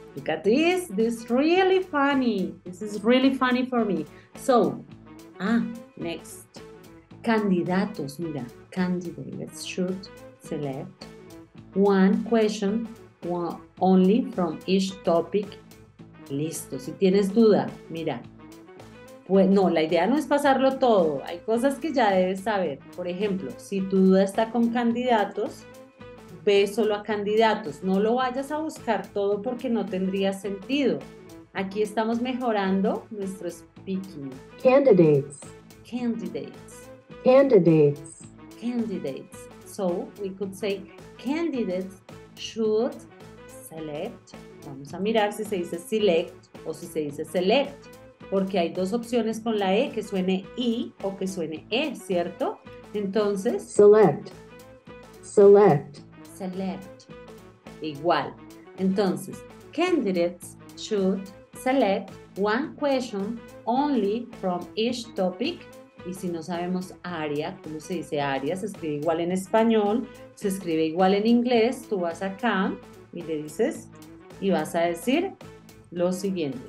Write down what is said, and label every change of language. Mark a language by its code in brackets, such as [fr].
[en] Look at this. This is really funny. This is really funny for me. So, next. [es] Candidatos, mira. [en] Candidates should select one question only from each topic. [es] Listo. Si tienes duda, mira. Pues no, la idea no es pasarlo todo. Hay cosas que ya debes saber. Por ejemplo, si tu duda está con candidatos, ve solo a candidatos. No lo vayas a buscar todo porque no tendría sentido. Aquí estamos mejorando nuestro speaking. [en] Candidates. Candidates. Candidates. Candidates. So we could say candidates should select. [es] Vamos a mirar si se dice select o si se dice select. Porque hay dos opciones con la E, que suene I o que suene E, ¿cierto? Entonces, [en] select, select, select, igual. Entonces, candidates should select one question only from each topic. [es] Y si no sabemos área, ¿cómo se dice área? Se escribe igual en español, se escribe igual en inglés. Tú vas acá y le dices, y vas a decir lo siguiente.